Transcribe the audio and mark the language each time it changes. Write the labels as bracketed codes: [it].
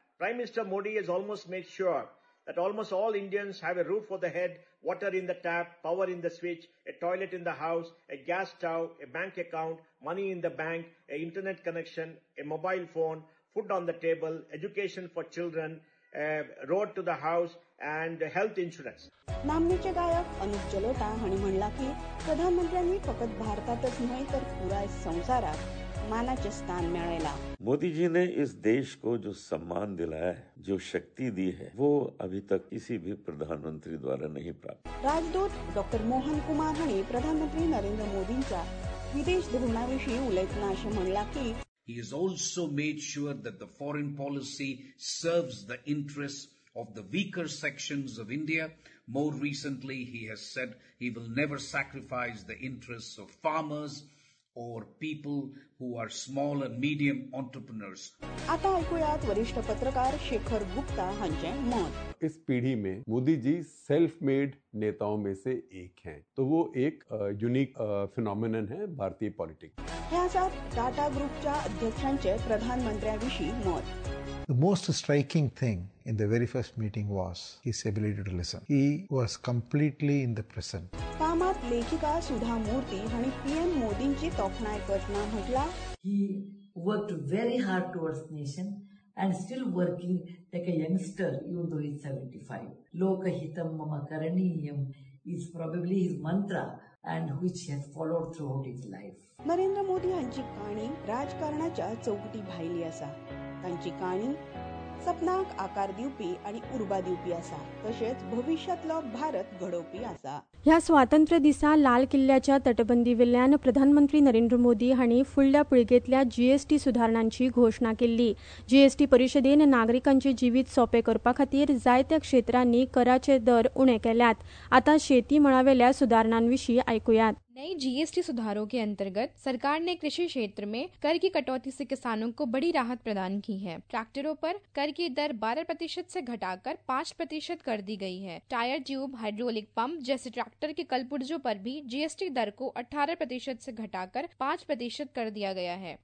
[en] Prime minister Modi has almost made sure that almost all Indians have a roof for the head, water in the tap, power in the switch, a toilet in the house, a gas stove, a bank account, money in the bank, a internet connection, a mobile phone, food on the table, education for children, road to the house and health insurance. [kok] नामनेचे गायक अनुप जलोटा हांनी म्हणला की प्रधानमंत्र्यांनी फक्त भारतातच नाही तर पुराय संसारात मानाचे स्थान मिळवला. [hi] मोदी जी ने इस देश को जो सम्मान दिलाया है, जो शक्ति दी है, वो अभी तक किसी भी प्रधानमंत्री द्वारा नहीं प्राप्त. [kok] राजदूत डॉक्टर मोहन कुमार हांनी प्रधानमंत्री नरेंद्र मोदींच्या विदेश धोरणाविषयी उलयताना असे म्हणला की [en] He has also made sure that the foreign policy serves the interests of the weaker sections of India. More recently, he has said he will never sacrifice the interests of farmers or people who are small and medium entrepreneurs. [kok] आता ऐकूयात वरिष्ठ पत्रकार शेखर गुप्ता हांचे मत. [hi] इस पीढ़ी में Modi ji self made नेताओं में से एक हैं. तो वो एक यूनिक फिनोमिनन है भारतीय पॉलिटिक्स. [kok] टाटा ग्रुपच्या अध्यक्षांचे प्रधानमंत्र्याविषयी मत. [en] The most striking thing in the very first meeting was his ability to listen. He was completely in the present. [kok] कामात लेखिका सुधा मूर्ती आणि पीएम मोदींची तोखणाय करताना म्हटला, [en] He worked very hard towards nation and still working like a youngster even though he's 75. [sa] Lokahitam mama karaniyam [en] is probably his mantra and which has followed throughout his life. [kok] Narendra मोदी यांची कहाणी राजकारणाच्या चौकटी भायली असा. त्यांची कहाणी सपनाक आकार दिवपी आणि उर्बा दिवपी असा, तसेच भविष्यातलो भारत घडवपी असा. ह्या स्वातंत्र्य दिसा लाल किल्ल्याच्या तटबंदी वेल्यान प्रधानमंत्री नरेंद्र मोदी हांनी फुडल्या पिळगेतल्या जीएसटी सुधारणांची घोषणा केली. जीएसटी परिषदेन नागरिकांचे जिवीत सोपे करपा खातीर जायत्या क्षेत्रांनी कराचे दर उणे केल्यात. आता शेती मळावेल्या सुधारणांविषयी ऐकूयात. [hi] नई जीएसटी सुधारों के अंतर्गत सरकार ने कृषि क्षेत्र में कर की कटौती से किसानों को बड़ी राहत प्रदान की है. ट्रैक्टरों पर कर की दर 12% से घटाकर 5% कर दी गई है. टायर ट्यूब हाइड्रोलिक पंप जैसे ट्रैक्टर के कलपुर्जों पर भी जीएसटी दर को 18% से घटाकर 5% कर दिया गया है.